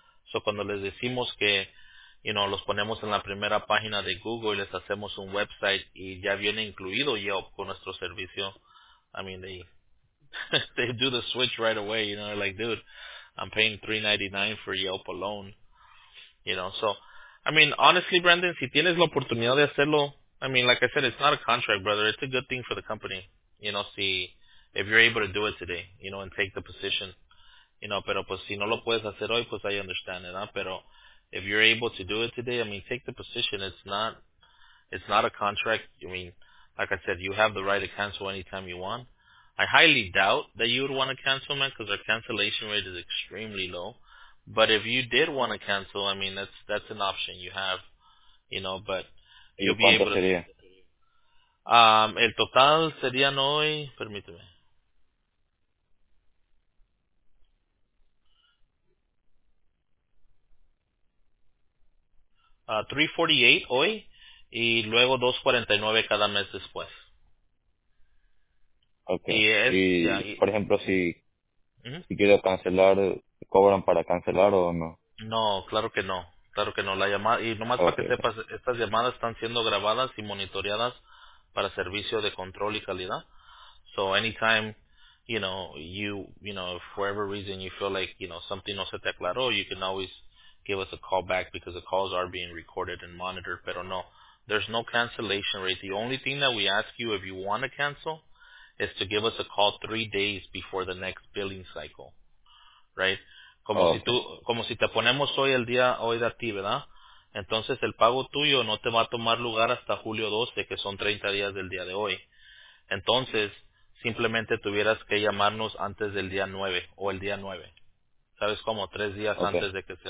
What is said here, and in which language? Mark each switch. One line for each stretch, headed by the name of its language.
Spanish: So cuando les decimos que,
English: you know,
Spanish: los ponemos en la primera página de Google y les hacemos un website y ya viene incluido Yelp con nuestro servicio,
English: I mean, they do the switch right away, you know, they're like, dude, I'm paying $399 for Yelp alone, you know. So, I mean, honestly, Brandon,
Spanish: si tienes la oportunidad de hacerlo,
English: I mean, like I said, it's not a contract, brother. It's a good thing for the company, you know, if you're able to do it today, you know, and take the position, you know.
Spanish: Pero pues si no lo puedes hacer hoy, pues
English: I understand it,
Spanish: ¿no? Pero
English: if you're able to do it today, I mean, take the position. It's not a contract. I mean, like I said, you have the right to cancel anytime you want. I highly doubt that you would want to cancel, man, because our cancellation rate is extremely low. But if you did want to cancel, I mean, that's an option you have, you know, but...
Spanish: ¿Cuánto sería? El total serían hoy, permíteme. $348 hoy y luego $249 cada mes después. Okay. Y por ejemplo, si Uh-huh. Si quiero cancelar, ¿cobran para cancelar o no? No, claro que no, claro que no. La llamada, y nomás para que sepas, estas llamadas están siendo grabadas y monitoreadas para servicio de control y calidad.
English: So anytime, if for every reason you feel like, something
Spanish: no se te aclaró,
English: you can always give us a call back because the calls are being recorded and monitored.
Spanish: Pero no,
English: there's no cancellation rate. The only thing that we ask you if you want to cancel is to give us a call 3 days before the next billing cycle, right?
Spanish: Como si tú, como si te ponemos hoy el día, hoy de a ti, ¿verdad? Entonces el pago tuyo no te va a tomar lugar hasta julio 12, que son 30 días del día de hoy. Entonces, simplemente tuvieras que llamarnos antes del día 9 o el día 9. ¿Sabes cómo? 3 días antes de que se